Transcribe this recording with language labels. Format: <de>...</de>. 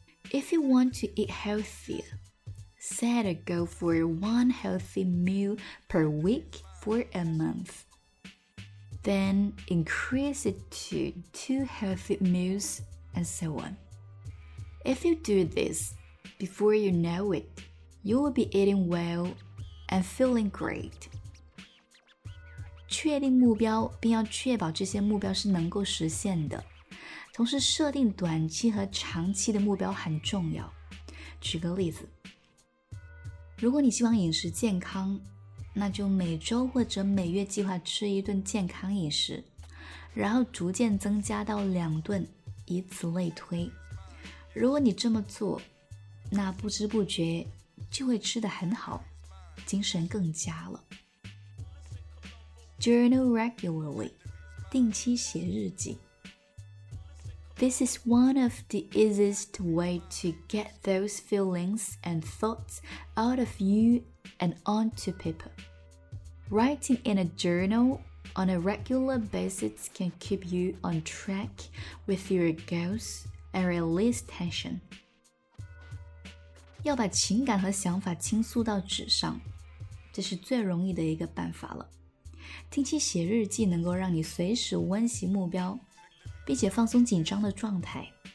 <en>If you want to eat healthier, set a goal for one healthy meal per week for a monthThen increase it to two healthy meals and so on. If you do this, before you know it, you will be eating well and feeling great.</en> <zh>确定目标并要确保这些目标是能够实现的。同时设定短期和长期的目标很重要。举个例子，如果你希望饮食健康，那就每周或者每月计划吃一顿健康饮食，然后逐渐增加到两顿，以此类推。如果你这么做，那不知不觉就会吃得很好，精神更佳了。</zh> <en>Journal regularly，</en> <zh>定期写日记。</zh> <en>This is one of the easiest way to get those feelings and thoughts out of youand onto paper. Writing in a journal on a regular basis can keep you on track with your goals and release tension.</en> <zh>要把情感和想法倾诉到纸上，这是最容易的一个办法了。定期写日记能够让你随时温习目标，并且放松紧张的状态。</zh>